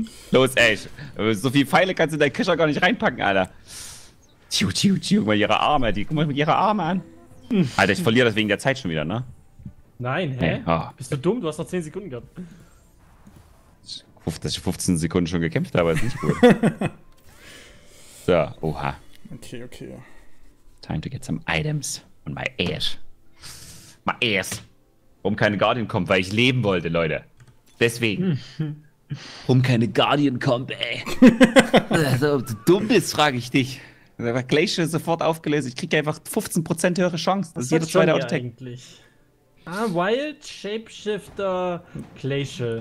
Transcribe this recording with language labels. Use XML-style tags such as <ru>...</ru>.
<de>Los, Ash. So viele Pfeile kannst du in deinen Kescher gar nicht reinpacken, Alter. Tschu, tschu, tschu, guck mal ihre Arme, guck mal ihre Arme an. Alter, ich verliere das wegen der Zeit schon wieder, ne? Nein, hä? Hey, oh. Bist du dumm? Du hast noch 10 Sekunden gehabt. Dass ich 15 Sekunden schon gekämpft habe, ist nicht gut. So, oha. Okay, okay.</de> <en>Time to get some items on my ass. My ass.</en> <de>Warum keine Guardian kommt, weil ich leben wollte, Leute. Deswegen. Warum keine Guardian kommt, ey. Also, ob du dumm bist, frage ich dich. Aber Glacier ist sofort aufgelöst. Ich kriege einfach 15% höhere Chance. Das ist jeder zweite Autotech. Eigentlich? Ah, Wild, Shapeshifter, Glacial.</de>